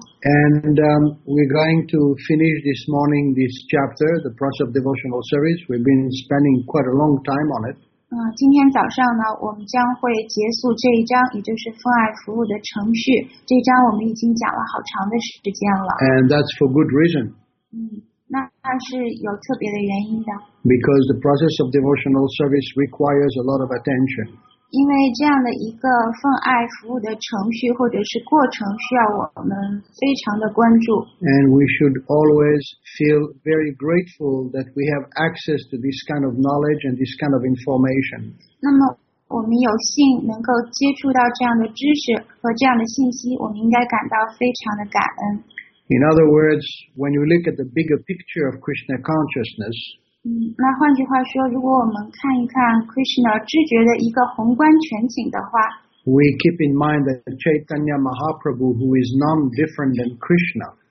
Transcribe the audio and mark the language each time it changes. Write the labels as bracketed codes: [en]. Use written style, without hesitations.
[en] And、we're going to finish this morning this chapter The Process of Devotional Service We've been spending quite a long time on it [zh] 今天早上呢我们将会结束这一章也就是奉爱服务的程序这一章我们已经讲了好长的时间了 [en] And that's for good reason [zh] 那是有特别的原因的 [en] Because the process of devotional service requires a lot of attention [zh] 因为这样的一个奉爱服务的程序或者是过程需要我们非常的关注 [en] And we should always feel very grateful that we have access to this kind of knowledge and this kind of information. [zh] 那么我们有幸能够接触到这样的知识和这样的信息我们应该感到非常的感恩。 [en] In other words, when you look at the bigger picture of Krishna consciousness, [zh] 那换句话说如果我们看一看 Krishna 知觉的一个宏观全景的话 [en] we keep in mind that Chaitanya Mahaprabhu who is none different than Krishna,